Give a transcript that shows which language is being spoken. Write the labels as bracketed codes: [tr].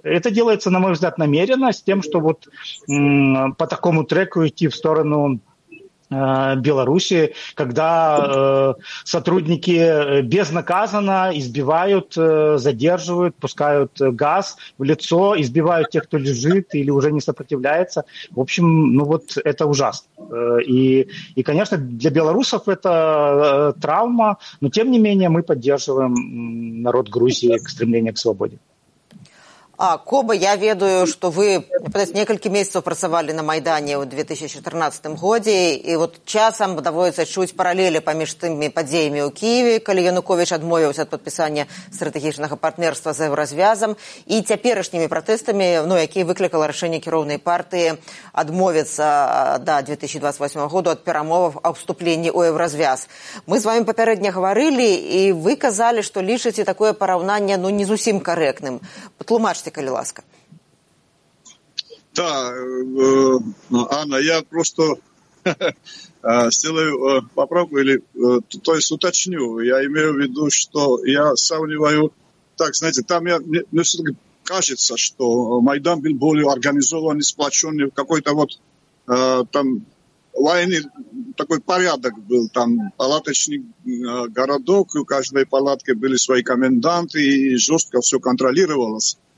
[ru] Это делается, на мой взгляд, намеренно, с тем, что вот по такому треку идти в сторону Беларуси, когда сотрудники безнаказанно избивают, задерживают, пускают газ в лицо, избивают тех, кто лежит или уже не сопротивляется. В общем, ну вот это ужасно. И конечно, для белорусов это травма, но тем не менее мы поддерживаем народ Грузии к стремлению к свободе. [be] Коба, я ведаю, што вы некалькі месяцаў працавалі на Майдане ў 2014 годзе, і вот часам даводзіцца чуць паралелі паміж тымі падзеямі ў Кіеве, калі Янукович адмовіўся ад падпісання стратэгічнага партнерства з Еўразвязам, і цяперашнімі пратэстамі, ну, якія выклікала рашэнне кіроўнай партыі адмовіцца да 2028 году ад перамоваў аб уступленні ў Еўразвяз. Мы з вамі папярэдне гаварылі, і вы казалі, што лічыце такое параўнанне, ну, не зусім карэктным. Патлумач. [ru] Да, Анна, я просто сделаю поправку, или, то есть уточню. Я имею в виду, что я сравниваю, так, знаете, там мне все-таки кажется, что Майдан был более организован, сплоченный, в какой-то вот там войне, такой порядок был, там палаточный городок, у каждой палатки были свои коменданты, и жестко все контролировалось.